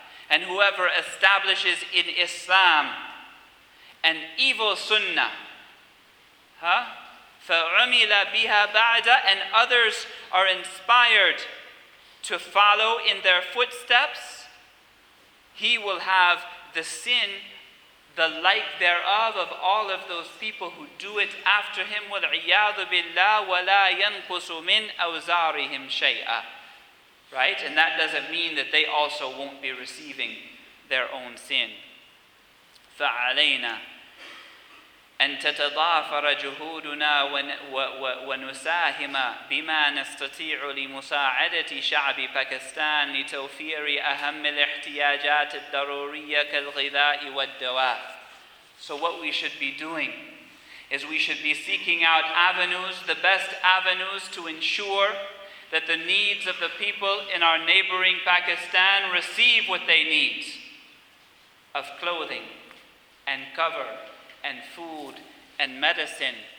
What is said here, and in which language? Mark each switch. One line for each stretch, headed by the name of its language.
English: And whoever establishes in Islam an evil sunnah,
Arabic: فَعُمِلَ بِهَا بَعْدَ,
English: and others are inspired to follow in their footsteps, he will have the sin, the like thereof, of all of those people who do it after him.
Arabic: وَالْعِيَاذُ بِاللَّهِ وَلَا يَنْقُسُ مِنْ أَوْزَارِهِمْ شَيْئًا.
English: Right? And that doesn't mean that they also won't be receiving their own sin.
Arabic: فَعَلَيْنَا أن تتضافر جهودنا ونساهم بما نستطيع لمساعدة شعب باكستان لتوفير أهم الاحتياجات الضرورية كالغذاء والدواء.
English: So what we should be doing is we should be seeking out avenues, the best avenues, to ensure that the needs of the people in our neighboring Pakistan receive what they need of clothing and cover and food and medicine,